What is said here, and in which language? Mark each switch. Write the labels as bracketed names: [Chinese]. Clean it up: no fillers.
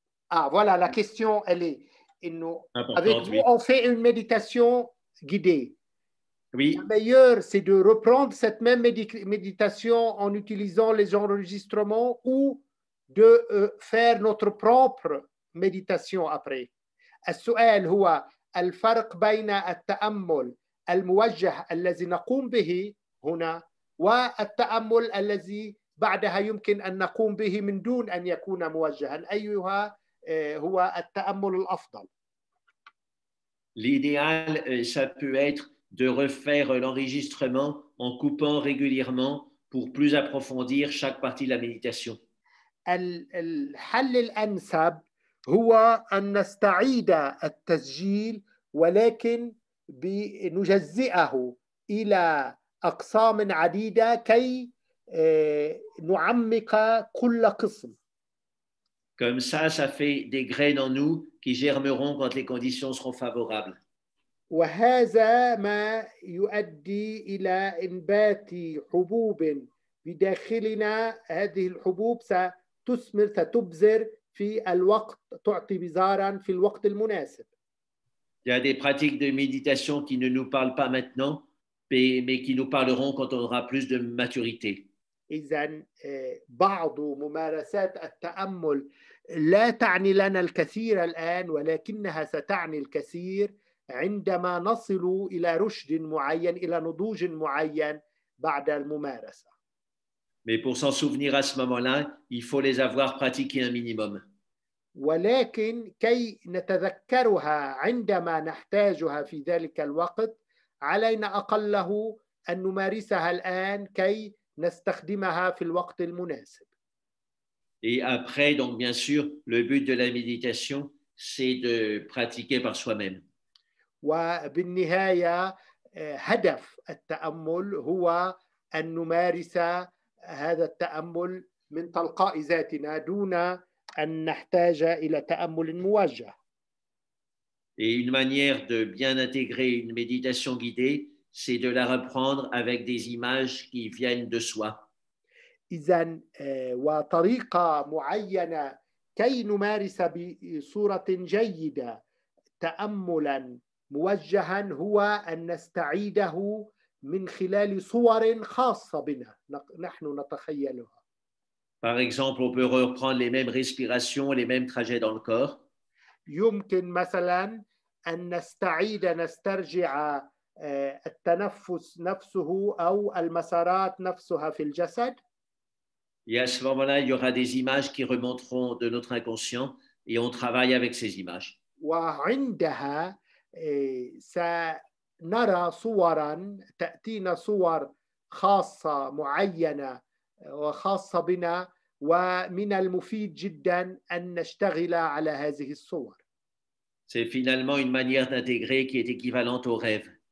[French] Ah, voilà, la question, elle est, avec vous, on fait une méditation guidée. Oui. La meilleure, c'est de reprendre cette même méditation en utilisant les enregistrements ou de faire notre propre méditation après. [Arabic] السؤال هو الفرق بين التأمل الموجه الذي نقوم به هنا والتأمل الذي بعدها يمكن أن نقوم به من دون أن يكون موجها. أيها هو التأمل الأفضل. [French] L'idéal, ça peut être de refaire l'enregistrement en coupant régulièrement pour plus approfondir chaque partie de la méditation. [Arabic] الحل الأنسب هو أن نستعيد التسجيل ولكن بنجزئه إلى أقسام عديدة كي نعمق كل قسم. [French] Comme ça, ça fait des graines en nous qui germeront quand les conditions seront favorables. [Arabic] وهذا ما يؤدي إلى إنبات حبوب بداخلنا هذه الحبوب ستثمر ستبذر في الوقت تعطي بذارا في الوقت المناسب. [French] Il y a des pratiques de méditation qui ne nous parlent pas maintenant, mais qui nous parleront quand on aura plus de maturité. [Arabic] إذن بعض ممارسات التأمل لا تعني لنا الكثير الآن ولكنها ستعني الكثير عندما نصل إلى رشد معين إلى نضوج معين بعد الممارسة. [French] Mais pour s'en souvenir à ce moment-là, il faut les avoir pratiqués un minimum. [Arabic] ولكن كي نتذكرها عندما نحتاجها في ذلك الوقت علينا أقله أن نمارسها الآن كي نستخدمها في الوقت المناسب. [French] Et après, donc bien sûr, le but de la méditation, c'est de pratiquer par soi-même. [Arabic] وبالنهاية هدف التأمل هو أن نمارس هذا التأمل من تلقاء ذاتنا دون أن نحتاج إلى تأمل موجه. [French] Et une manière de bien intégrer une méditation guidée, c'est de la reprendre avec des images qui viennent de soi. [Arabic] إذن وطريقة معينة كي نمارس بصورة جيدة تأملا موجها هو أن نستعيده من خلال صور خاصة بنا نحن نتخيلها. [French] Par exemple, on peut reprendre les mêmes respirations, les mêmes trajets dans le corps. [Arabic] يمكن مثلا أن نستعيد نسترجع التنفس نفسه أو المسارات نفسها في الجسد. [French] Et à ce moment-là, il y aura des images qui remonteront de notre inconscient et on travaille avec ces images. [Arabic] وعندها سنرى صورا تأتينا صور خاصة معينة وخاصة بنا ومن المفيد جدا أن نشتغل على هذه الصور. [French] C'est finalement une manière d'intégrer qui est équivalente au rêve.